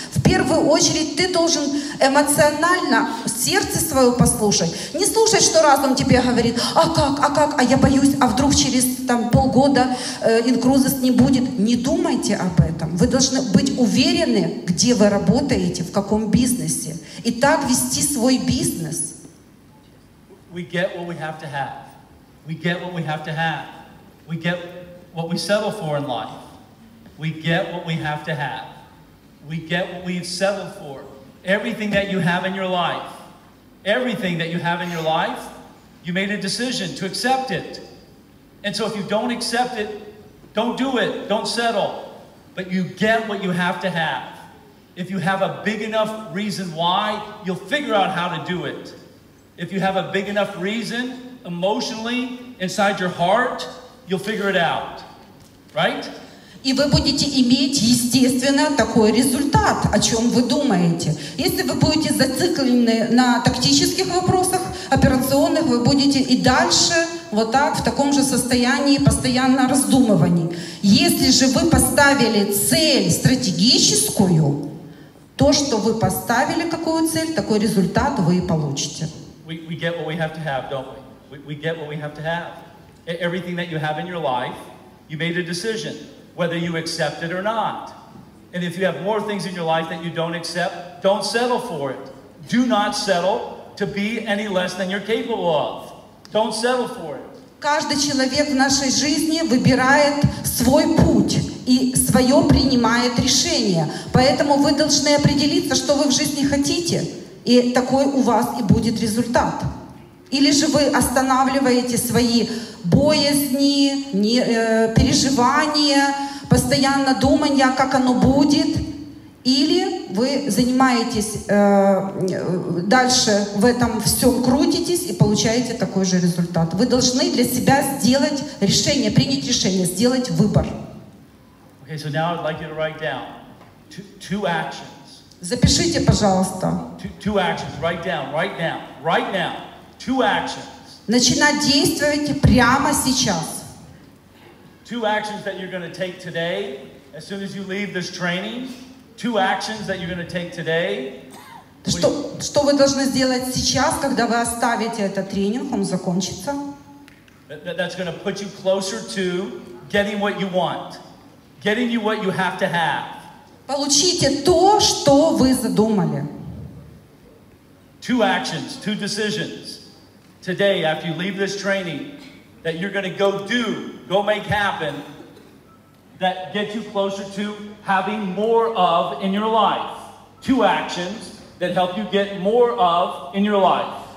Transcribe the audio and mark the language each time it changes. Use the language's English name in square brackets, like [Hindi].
[Russian] В первую очередь ты должен эмоционально сердце свое послушать. Не слушать, что разум тебе говорит, а как, а я боюсь, а вдруг через там, полгода Incruises не будет. Не думайте об этом. Вы должны быть уверены, где вы работаете, в каком бизнесе. И так вести свой бизнес. [English] We get what we have to have. We get what we have to have. We get what we settle for in life. We get what we have to have. We get what we've settled for. Everything that you have in your life, everything that you have in your life, you made a decision to accept it. And so if you don't accept it, don't do it, don't settle. But you get what you have to have. If you have a big enough reason why, you'll figure out how to do it. If you have a big enough reason emotionally inside your heart, you'll figure it out. Right? [Russian] И вы будете иметь, естественно, такой результат, о чем вы думаете. Если вы будете зациклены на тактических вопросах, операционных, вы будете и дальше вот так, в таком же состоянии, постоянно раздумывание. Если же вы поставили цель стратегическую, то, что вы поставили какую цель, такой результат вы и получите. [English] We get what we have to have, don't we? We get what we have to have. Everything that you have in your life, you made a decision, whether you accept it or not. And if you have more things in your life that you don't accept, don't settle for it. Do not settle to be any less than you're capable of. Don't settle for it. [Russian] Каждый человек в нашей жизни выбирает свой путь и свое принимает решение. Поэтому вы должны определиться, что вы в жизни хотите, и такой у вас и будет результат. Или же вы останавливаете свои боязни, переживания, постоянно думания, как оно будет. Или вы занимаетесь дальше в этом всем, крутитесь и получаете такой же результат. Вы должны для себя сделать решение, принять решение, сделать выбор. [English] Okay, so now I'd like you to write down two actions. [Russian] Запишите, пожалуйста. [English] Two actions, write down, right now, right now. Two actions. [Russian] Начинать действовать прямо сейчас. [English] Two actions that you're going to take today, as soon as you leave this training. Two actions that you're going to take today. [Russian] Что вы должны сделать сейчас, когда вы оставите этот тренинг, он закончится? [English] That's going to put you closer to getting what you want, getting you what you have to have. [Russian] Получите то, что вы задумали. [English] Two actions, two decisions. Today, after you leave this training, that you're going to go do, go make happen, that gets you closer to having more of in your life. Two actions that help you get more of in your life.